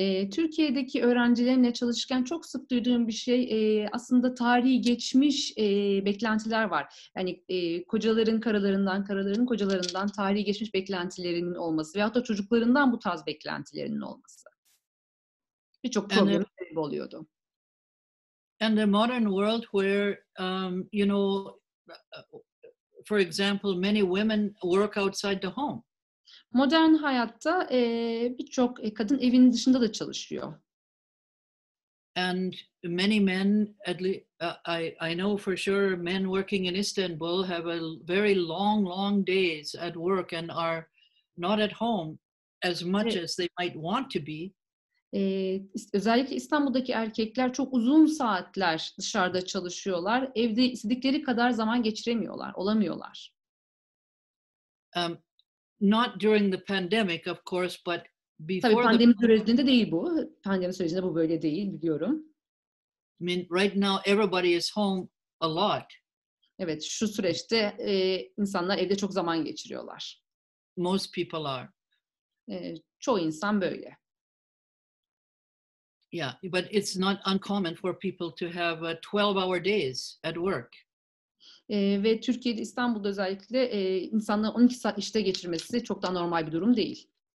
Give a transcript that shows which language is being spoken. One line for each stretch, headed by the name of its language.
Turkish: Türkiye'deki öğrencilerimle çalışırken çok sık duyduğum bir şey aslında tarihi geçmiş beklentiler var. Yani kocaların karılarından, karıların kocalarından tarihi geçmiş beklentilerinin olması veyahut da çocuklarından bu tarz beklentilerinin olması. Birçok problem oluyordu.
English: And the modern world where you know, for example, many women work outside the home.
Turkish: Modern hayatta birçok kadın evinin dışında da çalışıyor.
English: And many men, at least I know for sure, men working in Istanbul have a very long, long days at work and are not at home as much as they might want to be.
Turkish: Özellikle İstanbul'daki erkekler çok uzun saatler dışarıda çalışıyorlar. Evde istedikleri kadar zaman geçiremiyorlar, olamıyorlar.
English: Not during the pandemic, of course, but before.
Turkish: Tabii pandemi sürecinde değil bu. Pandemi sürecinde bu böyle değil, biliyorum.
English: I mean, right now everybody is home a lot.
Turkish: Evet, şu süreçte insanlar evde çok zaman geçiriyorlar.
English: Most people are.
Turkish: Çoğu insan böyle.
English: Yeah, but it's not uncommon for people to have 12-hour days at work.
Turkish: Ve Türkiye'de, İstanbul'da özellikle insanların 12 saat işte geçirmesi çok da normal bir durum değil.